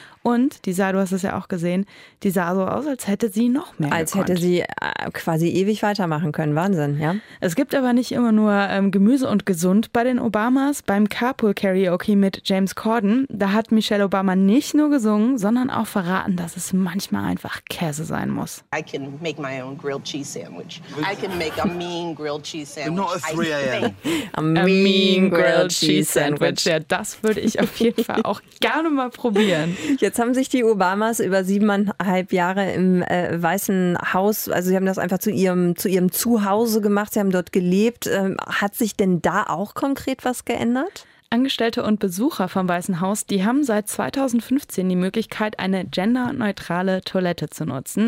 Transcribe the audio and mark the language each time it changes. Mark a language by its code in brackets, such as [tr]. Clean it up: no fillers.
[de] Und die sah, du hast es ja auch gesehen, die sah so aus, als hätte sie noch mehr gekonnt. Als hätte sie quasi ewig weitermachen können. Wahnsinn, ja. Es gibt aber nicht immer nur Gemüse und gesund bei den Obamas. Beim Carpool-Karaoke mit James Corden, da hat Michelle Obama nicht nur gesungen, sondern auch verraten, dass es manchmal einfach Käse sein muss. [en] I can make my own grilled cheese sandwich. I can make a mean grilled cheese sandwich. Not a 3 a.m. A mean grilled cheese sandwich. [de] Ja, das würde ich auf jeden Fall auch gerne mal probieren. Jetzt haben sich die Obamas über 7,5 Jahre im Weißen Haus, also sie haben das einfach zu ihrem Zuhause gemacht, sie haben dort gelebt. Hat sich denn da auch konkret was geändert? Angestellte und Besucher vom Weißen Haus, die haben seit 2015 die Möglichkeit, eine genderneutrale Toilette zu nutzen.